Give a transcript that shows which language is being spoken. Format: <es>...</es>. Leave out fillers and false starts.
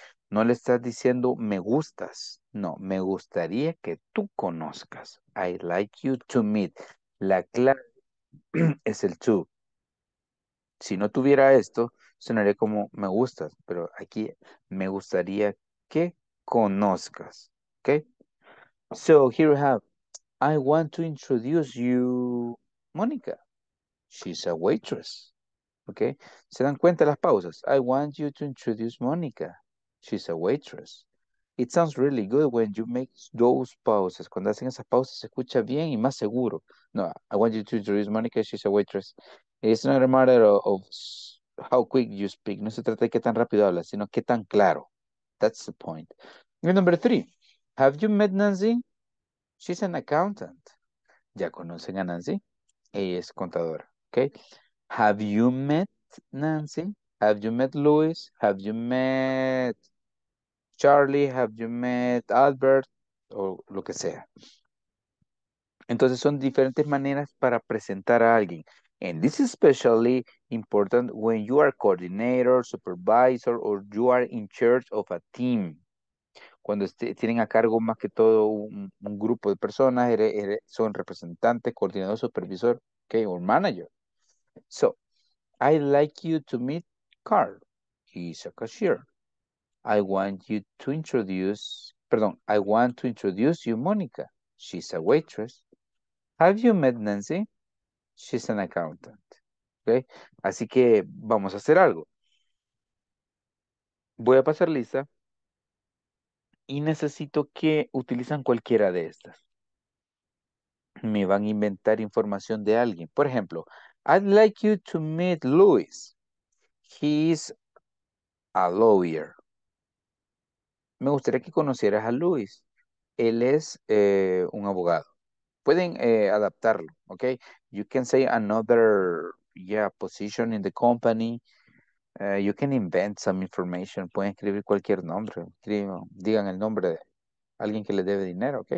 <es>No le estás diciendo me gustas, no, me gustaría que tú conozcas.</es> <en>I'd like you to meet.</en> <es>La clave es el to. Si no tuviera esto, sonaría como me gustas, pero aquí me gustaría que conozcas, okay?</es> <en>So here we have, I want to introduce you, Monica. She's a waitress, okay?</en> <es>¿Se dan cuenta las pausas?</es> <en>I want you to introduce Monica. She's a waitress. It sounds really good when you make those pauses.</en> <es>Cuando hacen esas pausas, se escucha bien y más seguro.</es> <en>No, I want you to introduce Monica. She's a waitress. It's not a matter of how quick you speak.</en> <es>No se trata de qué tan rápido hablas, sino qué tan claro.</es> <en>That's the point. And number three, have you met Nancy? She's an accountant.</en> <es>¿Ya conocen a Nancy? Ella es contadora. Okay.</es> <en>Have you met Nancy? Have you met Louis? Have you met Charlie? Have you met Albert?</en> <es>O lo que sea. Entonces son diferentes maneras para presentar a alguien.</es> <en>And this is especially important when you are coordinator, supervisor, or you are in charge of a team.</en> <es>Cuando tienen a cargo más que todo un grupo de personas, son representantes, coordinador, supervisor, okay,</es> <en>or manager. So, I'd like you to meet Carl. He's a cashier. I want to introduce you, Monica. She's a waitress. Have you met Nancy? She's an accountant. Okay?</en> <es>Así que vamos a hacer algo. Voy a pasar lista. Y necesito que utilizan cualquiera de estas. Me van a inventar información de alguien. Por ejemplo,</es> <en>I'd like you to meet Louis. He's a lawyer.</en> <es>Me gustaría que conocieras a Louis. Él es un abogado. Pueden adaptarlo, ¿ok?</es> <en>You can say another, position in the company. You can invent some information.</en> <es>Pueden escribir cualquier nombre. Digan el nombre de alguien que le debe dinero, ¿ok?</es>